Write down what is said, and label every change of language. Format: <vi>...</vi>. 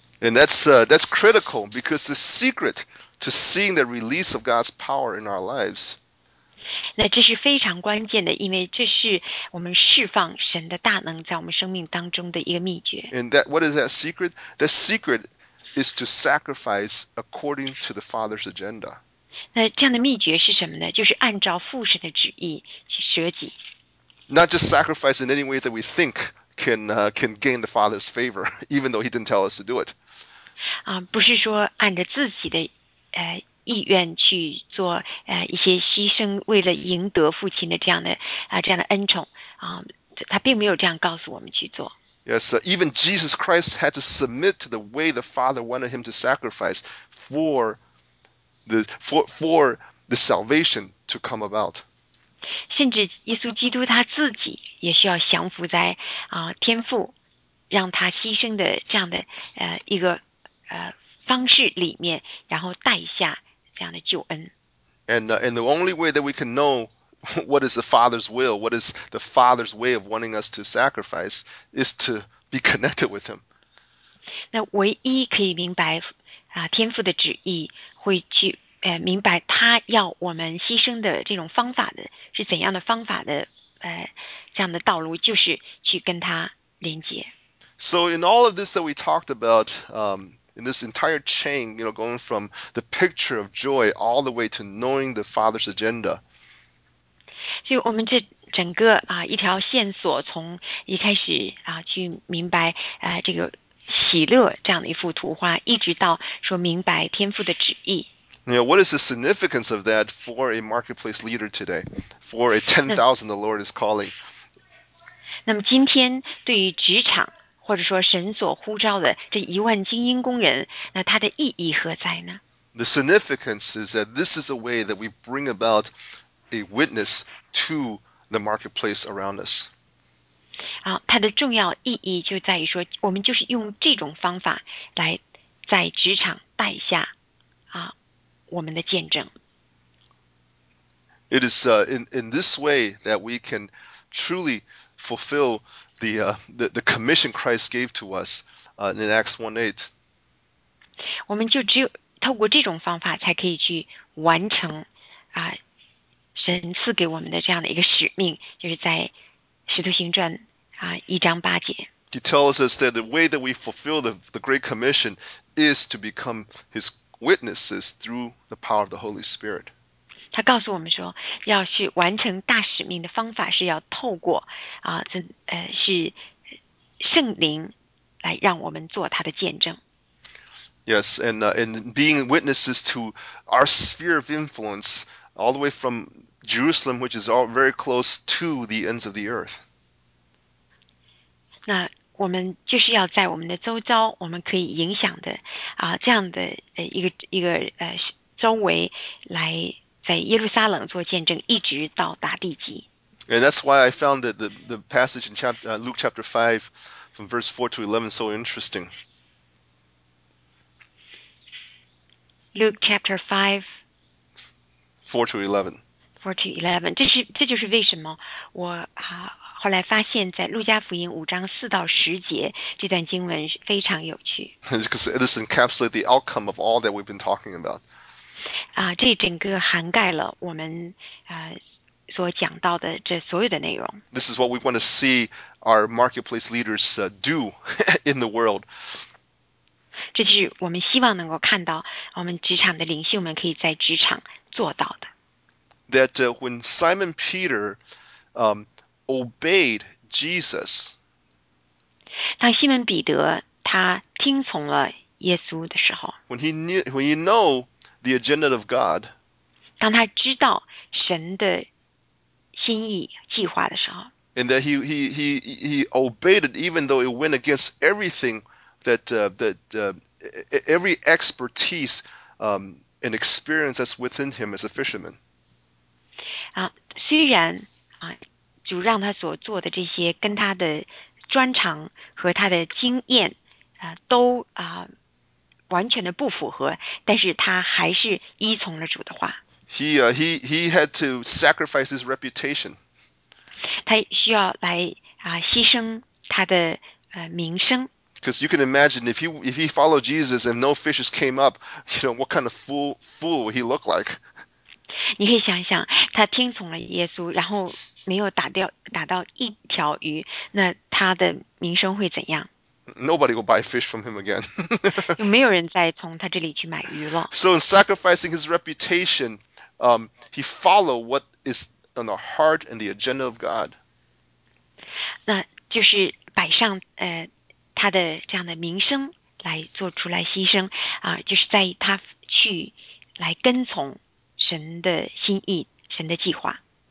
<en>And that's critical because the secret to seeing the release of God's power in our lives.</en> <zh>那这是非常关键的，因为这是我们释放神的大能在我们生命当中的一个秘诀。</zh> <en>And that, what is that secret? The secret is to sacrifice according to the Father's agenda.</en> <zh>那这样的秘诀是什么呢？就是按照父神的旨意去舍己。</zh> <en>Not just sacrifice in any way that we think can gain the Father's favor, even though He didn't tell us to do it.</en> <zh>不是说按着自己的意愿去做一些牺牲，为了赢得父亲的这样的恩宠他并没有这样告诉我们去做。</zh> <en>Yes, even Jesus Christ had to submit to the way the Father wanted him to sacrifice for the salvation to come about.</en> <zh>甚至耶稣基督他自己也需要降服在天父让他牺牲的这样的一个方式里面，然后带下这样的救恩。</zh> <en>And the only way that we can know what is the Father's will, what is the Father's way of wanting us to sacrifice, is to be connected with Him.</en> <zh>那唯一可以明白天父的旨意，会去明白他要我们牺牲的这种方法的是怎样的方法的这样的道路，就是去跟他连接。</zh> <en>So in all of this that we talked about, in this entire chain, you know, going from the picture of joy all the way to knowing the Father's agenda.</en> <zh>就我们这整个一条线索，从一开始去明白这个喜乐这样的一幅图画，一直到说明白天父的旨意。</zh> <en>You know, what is the significance of that for a marketplace leader today, for a 10,000 the Lord is calling?</en> <zh>那么今天对于职场或者说神所呼召的这10,000精英工人，那它的意义何在呢？</zh> <en>The significance is that this is a way that we bring about a witness to the marketplace around us.</en> <zh>它的重要意义就在于说，我们就是用这种方法来在职场带下我们的见证。</zh> <en>It is in this way that we can truly fulfill the commission Christ gave to us in Acts 1:8.</en> <zh>我们就只有透过这种方法才可以去完成神赐给我们的这样的一个使命，就是在使徒行传1:8.</zh> <en>He tells us that the way that we fulfill the great commission is to become His witnesses through the power of the Holy Spirit.</en> <zh>他告诉我们说，要去完成大使命的方法是要透过是圣灵来让我们做他的见证。</zh> <en>Yes, and being witnesses to our sphere of influence all the way from Jerusalem, which is all very close to the ends of the earth.</en> <zh>那我们就是要在我们的周遭，我们可以影响的啊，这样的一个周围，来在耶路撒冷做见证，一直到达地极。</zh> <en>And that's why I found that the passage in Luke chapter 5 from verse 4 to 11 so interesting. Luke chapter 5 4 to 11. 4 to 11.</en> <zh>这就是为什么我后来发现在路加福音5章4到10节这段经文非常有趣。</zh> <en>Because this encapsulates the outcome of all that we've been talking about.</en> <zh>这整个涵盖了我们所讲到的这所有的内容。</zh> <en>This is what we want to see our marketplace leaders do in the world.</en> <zh>这就是我们希望能够看到我们职场的领袖们可以在职场做到的。</zh> <en>That when Simon Peter obeyed Jesus,</en> <zh>当西门彼得他听从了耶稣的时候</zh> <en>when he know the agenda of God,</en> <zh>当他知道神的心意计划的时候</zh> <en>，and that he obeyed it even though it went against everything that every expertise and experience that's within him as a fisherman.</en> <zh>虽然主让他所做的这些跟他的专长和他的经验都完全的不符合，但是他还是依从了主的话。</zh> <en>He had to sacrifice his reputation.</en> <zh>他需要来牺牲他的名声。</zh> <en>Because you can imagine if he followed Jesus and no fishes came up, you know what kind of fool would he look like?</en> <zh>你可以想想，他听从了耶稣，然后没有打到一条鱼，那他的名声会怎样？</zh> <en>Nobody will buy fish from him again.</en> <zh>就没有人再从他这里去买鱼了。</zh> <en>So in sacrificing his reputation. He follow what is on the heart and the agenda of God.</en> <zh>那就是摆上他的这样的名声来做出来牺牲就是在他去来跟从神的心意，神的计划。</zh>